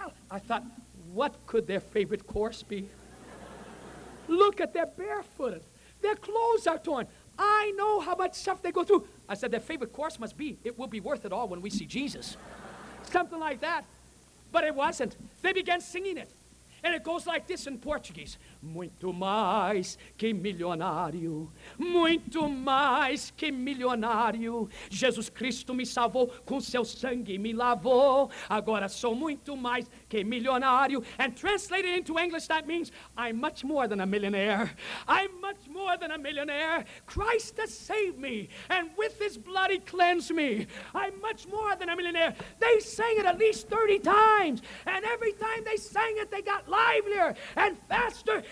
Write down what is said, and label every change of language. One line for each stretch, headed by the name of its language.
English: I thought, what could their favorite chorus be? Look at their barefooted. Their clothes are torn. I know how much stuff they go through. I said, their favorite chorus must be, "It Will Be Worth It All When We See Jesus." Something like that. But it wasn't. They began singing it. And it goes like this in Portuguese.
Portuguese: Muito mais que milionário. Muito mais que milionário. Jesus Cristo me salvou, com seu sangue me lavou. Agora sou muito mais que milionário.
English: And translated into English, that means, I'm much more than a millionaire. I'm much more than a millionaire. Christ has saved me, and with his blood he cleansed me. I'm much more than a millionaire. They sang it at least 30 times. And every time they sang it, they got livelier and faster.